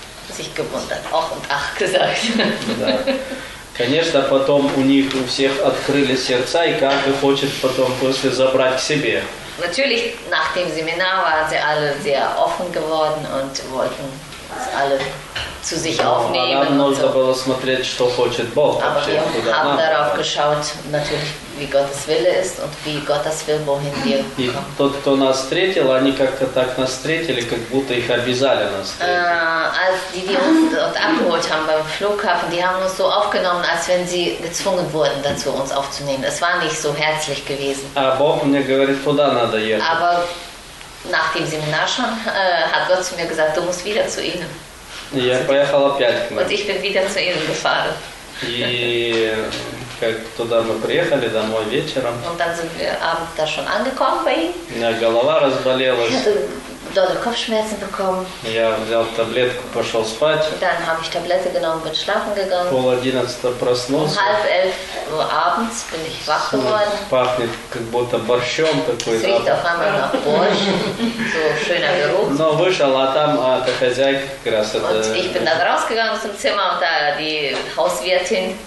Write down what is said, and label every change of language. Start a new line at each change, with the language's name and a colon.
German: Sich gewundert, auch und ach gesagt.
Russian: Конечно, потом у них у всех открыли сердца и каждый хочет потом после забрать к себе.
German: Natürlich nach dem Seminar waren sie alle sehr offen geworden und wollten alle zu sich aufnehmen.
Russian: Но нужно было смотреть, что хочет Бог.
German: Aber wir haben darauf geschaut, natürlich, wie Gottes Wille ist und wie Gottes will, wohin wir kommen.
Russian: И тот, кто нас встретил, они как-то так нас встретили, как будто их обязали нас встретить.
German: Als die uns dort abgeholt haben beim Flughafen, die haben uns so aufgenommen, als wenn sie gezwungen wurden, dazu uns aufzunehmen. Es war nicht so herzlich gewesen.
Russian: А Бог мне говорит, куда надо ехать.
German: Aber nach dem Seminar schon hat Gott zu mir gesagt, du musst wieder zu ihnen.
Russian: Я поехал опять к ним.
German: Und ich bin wieder zu ihnen gefahren.
Russian: И как туда мы приехали домой вечером.
German: Und dann sind wir abend da schon angekommen bei ihm.
Russian: У меня голова разболелась.
German: Ich hatte Kopfschmerzen bekommen.
Russian: Я взял таблетку, пошел спать.
German: Und dann habe ich Tablette genommen, bin schlafen gegangen.
Russian: Пол одиннадцатого проснулся.
German: Um 10:30 abends bin ich wach geworden.
Russian: Пахнет как будто борщом такой.
German: Es riecht auf einmal nach Borscht. So schöner Geruch.
Russian: Но вышел, а там эта хозяйка как раз
German: und
Russian: это.
German: Ich bin dann rausgegangen zum Zimmer und da die Hauswirtin.